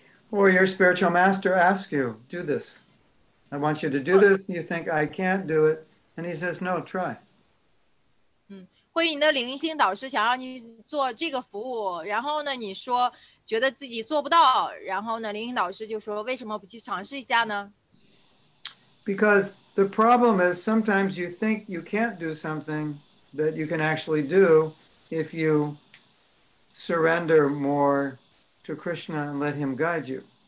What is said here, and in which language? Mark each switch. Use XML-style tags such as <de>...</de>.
<en>Or your spiritual master asks you, do this, I want you to do this, you think I can't do it, and he says no, try.</en> <zh>或者你的灵性导师想让你做这个服务，然后呢你说觉得自己做不到，然后呢灵性导师就说为什么不去尝试一下呢？</zh> <en>Because the problem is sometimes you think you can't do something that you can actually do if you surrender more to Krishna and let him guide you.</en>